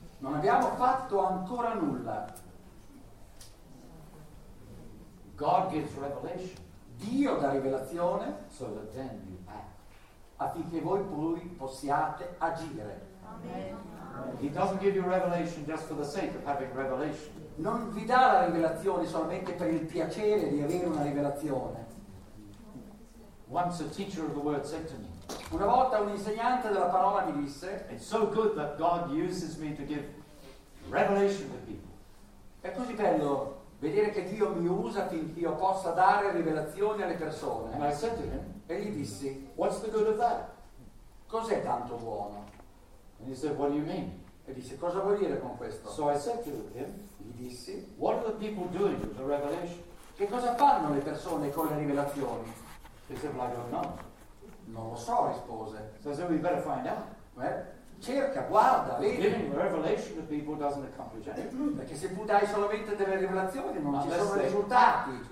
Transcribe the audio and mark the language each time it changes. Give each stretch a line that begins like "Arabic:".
Italian: Non abbiamo fatto ancora nulla.
English: God gives revelation.
Italian: Dio dà rivelazione.
English: So that then you act.
Italian: Affinché voi poi possiate agire.
English: Amen. He doesn't give you revelation just for the sake of having revelation.
Italian: Non vi dà la rivelazione solamente per il piacere di avere una rivelazione.
English: Once a teacher of the word said to me.
Italian: Una volta un insegnante della parola mi disse.
English: It's so good that God uses me to give revelation to people.
Italian: È così bello vedere che Dio mi usa finché io possa dare rivelazioni alle persone.
English: And I said to him,
Italian: e gli dissi,
English: what's the good of that?
Italian: Cos'è tanto buono?
English: And he said, what do you mean?
Italian: E disse, cosa vuol dire con questo?
English: So I said to him,
Italian: gli dissi,
English: what are the people doing with the revelation?
Italian: Che cosa fanno le persone con le rivelazioni?
English: He said, well, I don't know.
Italian: Non lo so, rispose.
English: So I said, we better find out.
Italian: Well, cerca, guarda, vedi.
English: Giving revelation to people doesn't accomplish anything.
Italian: Perché se tu dai solamente delle rivelazioni non ci sono risultati.